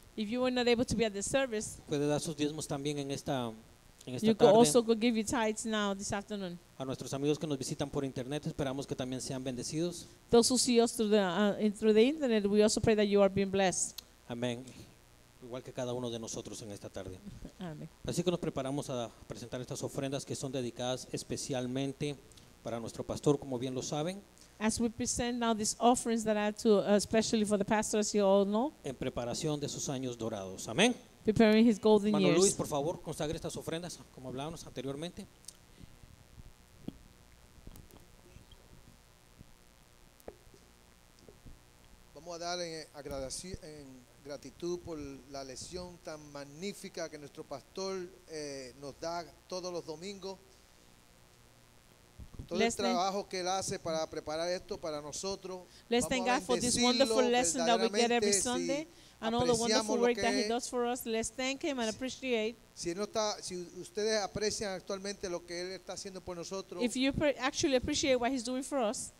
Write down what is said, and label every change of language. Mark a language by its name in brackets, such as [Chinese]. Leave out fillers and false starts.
[English] If you were not able to be at the service. [Spanish] Puede dar sus diezmos también en esta [English] you [Spanish] tarde. [English] You could also go give your tithes now this afternoon. [Spanish] A nuestros amigos que nos visitan por internet, esperamos que también sean bendecidos. [English] Those who see us through the internet, we also pray that you are being blessed. [Spanish] Amén. Igual que cada uno de nosotros en esta tarde. Amén. Así que nos preparamos a presentar estas ofrendas que son dedicadas especialmente para nuestro pastor, como bien lo saben. [English] As we present now these offerings that are to especially for the pastor, as you all know. [Spanish] En preparación de sus años dorados. Amén. [English] Preparing his golden Manuel years. [Spanish] Luis, por favor, consagre estas ofrendas, como hablábamos anteriormente. Vamos a dar en gratitud por la lección tan magnífica que nuestro pastor nos da todos los domingos. Todo el trabajo que él hace para preparar esto para nosotros. [English] Let's thank God for this wonderful lesson that we get every Sunday. And all the wonderful work that he does for us. Let's thank him and appreciate. [Spanish] Si ustedes aprecian actualmente lo que él está haciendo por nosotros. [English] If you actually appreciate what he's doing for us.